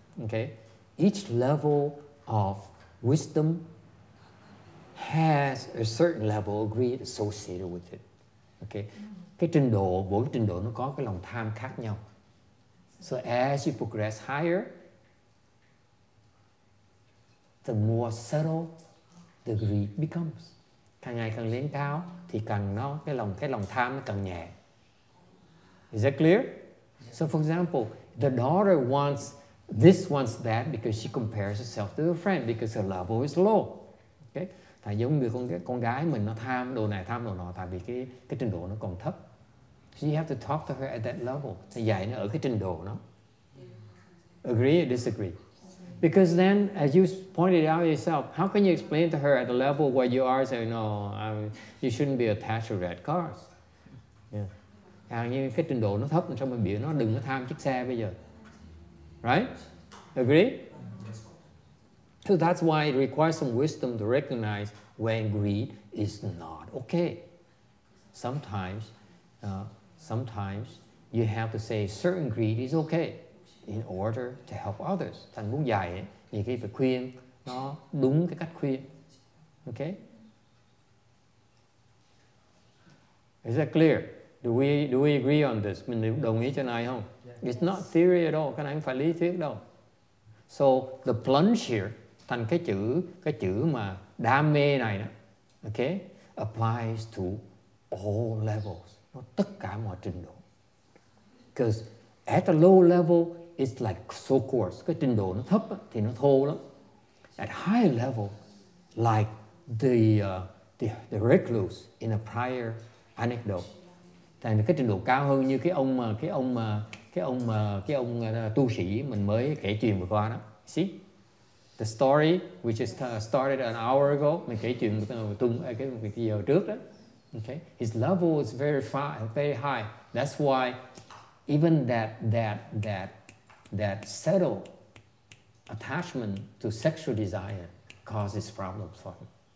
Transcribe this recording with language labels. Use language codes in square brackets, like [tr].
[en] Okay, each level of wisdom has a certain level of greed associated with it. [vi] Okay, cái trình độ, mỗi trình độ nó có cái lòng tham khác nhau. [en] So as you progress higher, the more subtle the greed becomes. [vi] Càng ngày càng lên cao thì càng nó cái lòng tham nó càng nhẹ. [en] Is that clear? So for example, the daughter wants this, wants that because she compares herself to her friend because her level is low. Okay? [vi] Tại giống như con gái mình nó tham đồ này, tham đồ nọ tại vì cái trình độ nó còn thấp. [en] So you have to talk to her at that level. [vi] Thì dạy nó ở cái trình độ nó. [en] Agree or disagree? Because then, as you pointed out yourself, how can you explain to her at the level where you are, say, no, you shouldn't be attached to red cars. [vi] Hàng như cái trình độ nó thấp, xong mình biểu nó đừng có tham chiếc xe bây giờ. [en] Right? Agree? So that's why it requires some wisdom to recognize when greed is not okay. Sometimes you have to say certain greed is okay in order to help others. [vi] Thành muốn dạy, nhiều khi phải khuyên nó đúng cái cách khuyên. Okay? [en] Is that clear? Do we agree on this? [vi] Mình đồng ý cho này không? [en] It's not theory at all. [vi] Cái này không phải lý thuyết đâu. [en] So the plunge here, [vi] thành cái chữ mà đam mê này đó. Okay? [en] applies to all levels, [vi] tất cả mọi trình độ. [en] Because at the low level, it's like so coarse. [vi] Cái trình độ nó thấp thì nó thô lắm. [en] At higher level, like the recluse in a prior anecdote, [vi] thì cái trình độ cao hơn như cái ông tu sĩ mình mới kể chuyện vừa qua đó. See? [en] The story which is started an hour ago, [vi] mình kể chuyện cái giờ trước đó. [en] Okay? His level is very far, very high. That's why even that subtle attachment to sexual desire causes problems for him.